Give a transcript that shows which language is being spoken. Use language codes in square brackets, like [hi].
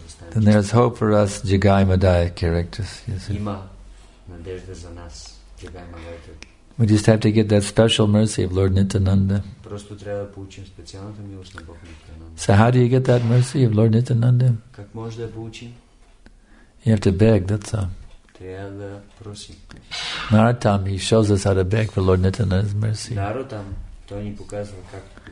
[en] Then there's hope for us Jagai Madai characters. [bg] надежда за нас. [en] We just have to get that special mercy of Lord Nityananda. [bg] Просто трябва да получим специалната милост на Бог Нитянанда. [en] So how do you get that mercy of Lord Nityananda? [bg] Как може да получим? [en] You have to beg, that's all. [bg] Трябва да проси. [en] Narottam, he shows us how to beg for Lord Nityananda's mercy. [bg] Narottam, той ни показва как.